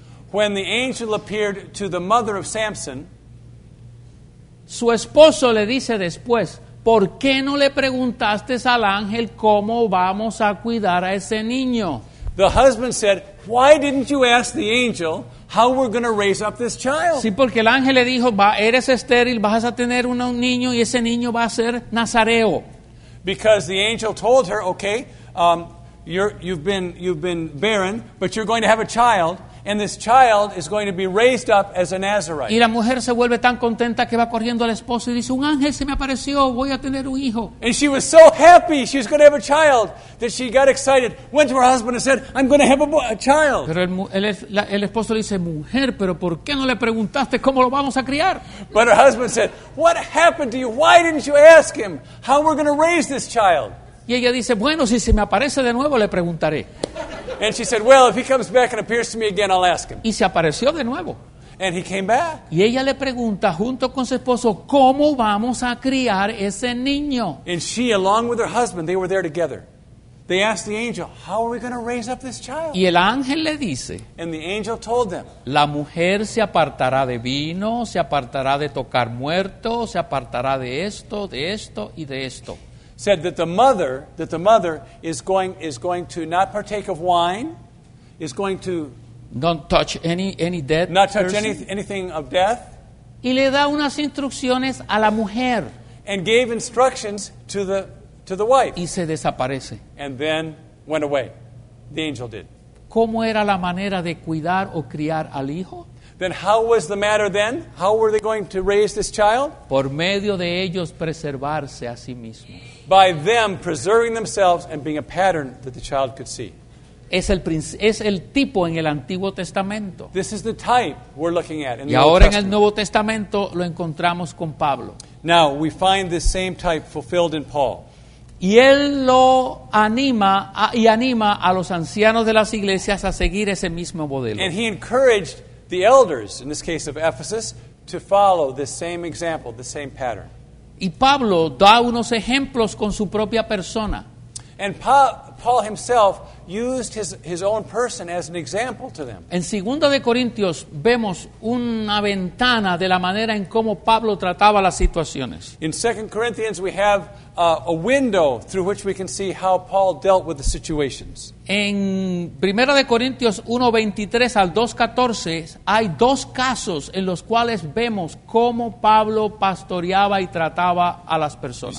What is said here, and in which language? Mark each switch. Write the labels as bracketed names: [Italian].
[English] When the angel appeared to the mother of Samson, [Spanish] su esposo le dice después, ¿por qué no le preguntaste al ángel cómo vamos a cuidar a ese niño? [English] The husband said, why didn't you ask the angel how we're going to raise up this child? [Spanish] Sí, porque el ángel le dijo, eres estéril, vas a tener un niño y ese niño va a ser Nazareo. [English] Because the angel told her, okay, you've been barren, but you're going to have a child. And this child is going to be raised up as a Nazarite. [Spanish] Y la mujer se vuelve tan contenta que va corriendo al esposo y dice, un ángel se me apareció, voy a tener un hijo. [English] And she was so happy she was going to have a child that she got excited, went to her husband and said, I'm going to have a child. [Spanish] Pero el esposo le dice, mujer, pero ¿por qué no le preguntaste cómo lo vamos a criar? [English] But her husband said, what happened to you? Why didn't you ask him how we're going to raise this child? [Spanish] Y ella dice, bueno, si se me aparece de nuevo, le preguntaré. [English] And she said, well, if he comes back and appears to me again, I'll ask him. [Spanish] Y se apareció de nuevo. [English] And he came back. [Spanish] Y ella le pregunta, junto con su esposo, ¿cómo vamos a criar ese niño? [English] And she, along with her husband, they were there together. They asked the angel, how are we going to raise up this child? [Spanish] Y el ángel le dice, [English] and the angel told them, [Spanish] la mujer se apartará de vino, se apartará de tocar muerto, se apartará de esto y de esto. [English] Said that the mother is going to not partake of wine, is going to don't touch any dead, not touch anything of death. [Spanish] Y le da unas instrucciones a la mujer. [English] And gave instructions to the wife. [Spanish] Y se desaparece. [English] And then went away. The angel did. [Spanish] ¿Cómo era la manera de cuidar o criar al hijo? [English] Then how was the matter then? How were they going to raise this child? [Spanish] Por medio de ellos preservarse a sí mismos. [English] By them preserving themselves and being a pattern that the child could see. [Spanish] Es el tipo en el Antiguo Testamento. [English] This is the type we're looking at in the Old Testament. [Spanish] Y ahora en el Nuevo Testamento lo encontramos con Pablo. [English] Now we find this same type fulfilled in Paul. [Spanish] Y él lo anima y anima a los ancianos de las iglesias a seguir ese mismo modelo. [English] And he encouraged the elders, in this case of Ephesus, to follow the same example, the same pattern. [Spanish] Y Pablo da unos ejemplos con su propia persona. [English] And Paul himself used his own person as an example to them. [Spanish] En 2 de Corintios vemos una ventana de la manera en cómo Pablo trataba las situaciones. [English] In 2 Corinthians we have a window through which we can see how Paul dealt with the situations. [Spanish] En 1 de Corintios 1:23 al 2:14 hay dos casos en los cuales vemos cómo Pablo pastoreaba y trataba a las personas.